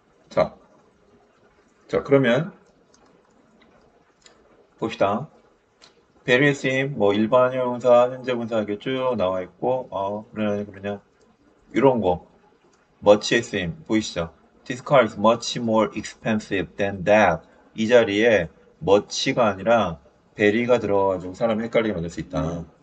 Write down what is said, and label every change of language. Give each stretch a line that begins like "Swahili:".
Korean: 자, 그러면 봅시다. 베리스임 뭐 일반 형용사 현재 분사하게 쭉 나와 있고 그러냐 이런 거 머치에스임 보이시죠?
English: This car is much more expensive than that.
Korean: 이 자리에 머치가 아니라 베리가 들어가가지고 사람이 헷갈리게 만들 수 있다.